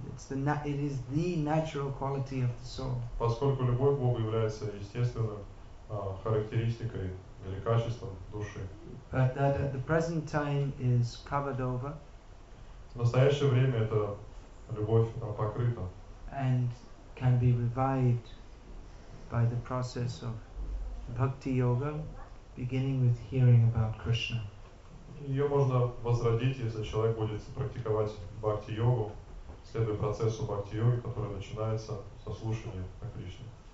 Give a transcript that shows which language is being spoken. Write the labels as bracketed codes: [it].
[en] It is the natural quality of the soul. [ru] Поскольку любовь к Богу является естественной характеристикой или качеством души. [en] But that at the present time is covered over. [ru] В настоящее время эта любовь покрыта. [en] And can be revived by the process of bhakti yoga, beginning with hearing about Krishna. [ru] Ее можно возродить, если человек будет практиковать бхакти-йогу, следуя процессу бхакти-йоги, который начинается со слушания о Кришне.